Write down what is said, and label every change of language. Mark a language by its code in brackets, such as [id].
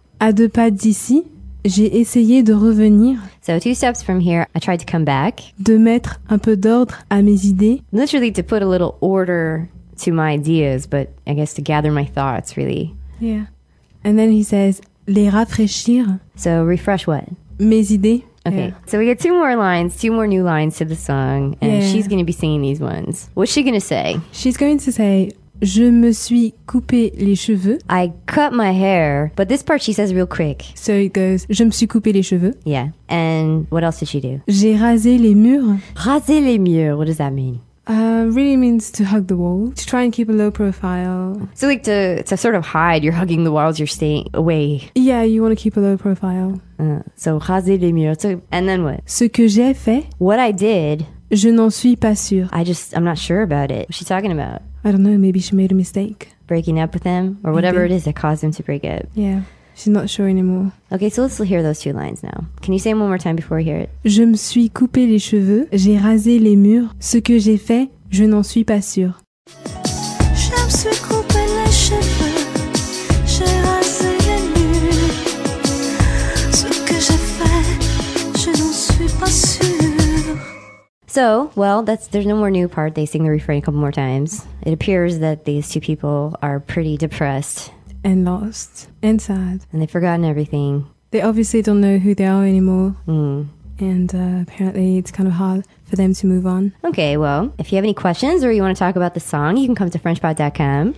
[fr] À deux pas d'ici, j'ai essayé de revenir. [en] So two steps from here, I tried to come back. [fr] De mettre un peu d'ordre à mes idées. [en] Literally to put a little order to my ideas, but I guess to gather my thoughts, really. Yeah. And then he says, [fr] les rafraîchir. [en] So refresh what? [fr] Mes idées. [en] Okay, yeah. So we get two more lines, two more new lines to the song, and she's going to be singing these ones. What's she going to say? She's going to say... [fr] Je me suis coupé les cheveux. [en] I cut my hair, but this part she says real quick. So it goes, [fr] je me suis coupé les cheveux. [en] Yeah, and what else did she do? [fr] J'ai rasé les murs. Rasé les murs, [en] what does that mean? Really means to hug the wall, to try and keep a low profile. So like to sort of hide, you're hugging the walls, you're staying away. Yeah, you want to keep a low profile. So [fr] rasé les murs, [en] so, and then what? [fr] Ce que j'ai fait. [en] What I did. [fr] Je n'en suis pas sûre. [en] I'm not sure about it. What's she talking about? I don't know, maybe she made a mistake. Breaking up with him, or whatever it is that caused him to break up. Yeah, she's not sure anymore. Okay, so let's hear those two lines now. Can you say them one more time before we hear it? [fr] Je me suis coupé les cheveux, j'ai rasé les murs. Ce que j'ai fait, je n'en suis pas sûre. Je me suis coupé les cheveux, j'ai rasé les murs. Ce que j'ai fait, je n'en suis pas sûre. [en] So, well, there's no more new part. They sing the refrain a couple more times. It appears that these two people are pretty depressed. And lost. And sad. And they've forgotten everything. They obviously don't know who they are anymore. Mm. And apparently it's kind of hard for them to move on. Okay, well, if you have any questions or you want to talk about the song, you can come to frenchpod.com.